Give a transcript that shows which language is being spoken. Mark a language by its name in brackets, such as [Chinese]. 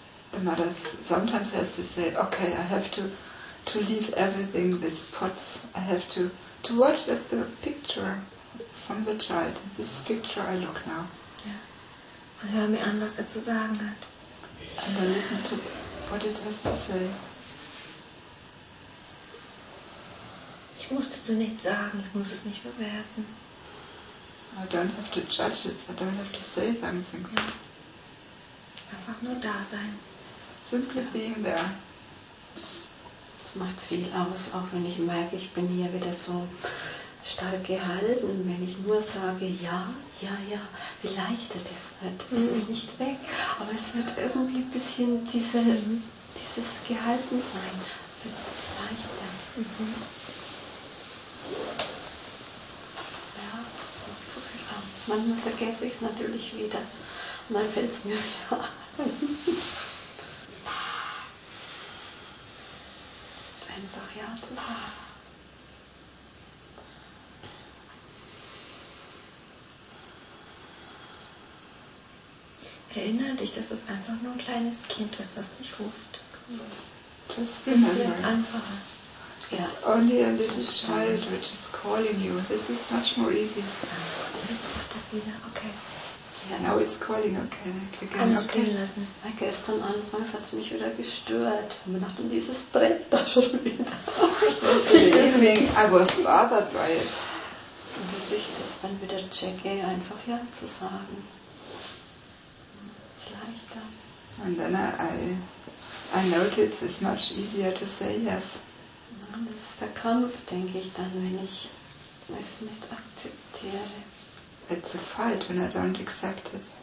[English] The mother sometimes has to say, okay, I have to leave everything, these pots. I have to watch at the picture from the child. This picture I look now. [German] Ja. Und hör mir an, was er zu sagen hat. [English] And I listen to what it has to say. [German] Ich muss dazu nichts sagen, ich muss es nicht bewerten. [English] I don't have to judge it, I don't have to say something. [German] Ja. Einfach nur da sein. [English] Simply being there. [German] Das macht viel aus, auch wenn ich merke, ich bin hier wieder so stark gehalten. Wenn ich nur sage, ja, wie leichter das wird. Mhm. Es ist nicht weg, aber es wird irgendwie ein bisschen dieses Gehaltensein wird leichter. Mhm. Ja, es macht so viel aus. Manchmal vergesse ich es natürlich wieder. Und dann fällt es mir wieder an. Einfach ja zu sagen. Erinnere dich, dass es einfach nur ein kleines Kind ist, was dich ruft. Das wird einfacher. [English] It's only a little child which is calling you. This is much more easy. [German] Jetzt wird es wieder, okay. [English] Yeah, now it's calling, okay. [German] Kann es stehen lassen. Ja, gestern anfangs hat es mich wieder gestört. Und mir dachte, dieses Brett da schon wieder. [English] In the evening, I was bothered by it. [German] Und als ich das dann wieder checke, einfach ja zu sagen. [English] And then I notice it's much easier to say yes. [German] Das ist der Kampf, denke ich dann, wenn ich es nicht akzeptiere. [English] It's a fight when I don't accept it.